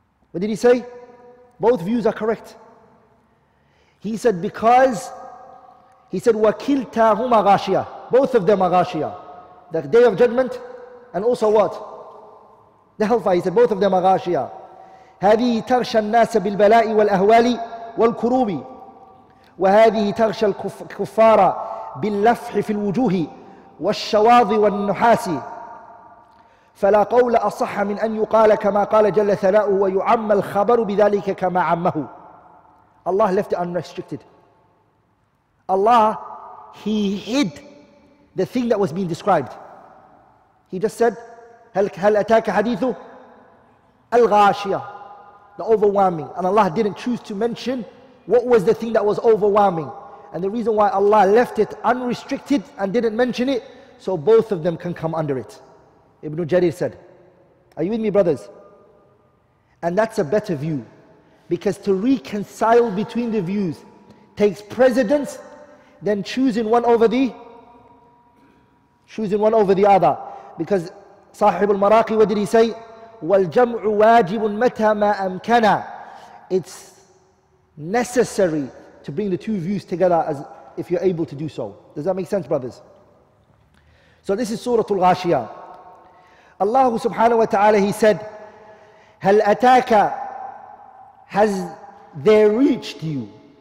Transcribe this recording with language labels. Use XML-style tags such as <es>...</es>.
<en>What did he say? Both views are correct. He said, because, he said,</en> <ar>وَكِلْتَاهُمَا غَاشِيَةً.</ar> <en>Both of them are ghashiyah. The Day of Judgment, and also what? The Hellfire, he said, both of them are ghashiyah.</en> <ar>هذه تغشى الناس بالبلاء والأهوال والكروب وهذه تغشى الكفار باللفح في الوجوه والشواظ والنحاس فلا قول أصح من أن يقال كما قال جل ثناؤه ويعم الخبر بذلك كما عمه.</ar> <en>Allah left it unrestricted. Allah, He hid the thing that was being described. He just said,</en> <ar>هل أتاك حديثه الغاشية,</ar> <en>the overwhelming. And Allah didn't choose to mention what was the thing that was overwhelming. And the reason why Allah left it unrestricted and didn't mention it, so both of them can come under it. Ibn Jarir said. Are you with me, brothers? And that's a better view. Because to reconcile between the views takes precedence than choosing one over the other. Because Sahib al-Maraqi, what did he say?</en> <ar>وَالْجَمْعُ وَاجِبٌ مَتَى مَا أَمْكَنَا.</ar> <en>It's necessary to bring the two views together as if you're able to do so. Does that make sense, brothers? So this is Surah Al-Ghashiyah. Allah subhanahu wa ta'ala, He said,</en> <ar>هَلْ أَتَاكَ,</ar> <en>has they reached you?</en>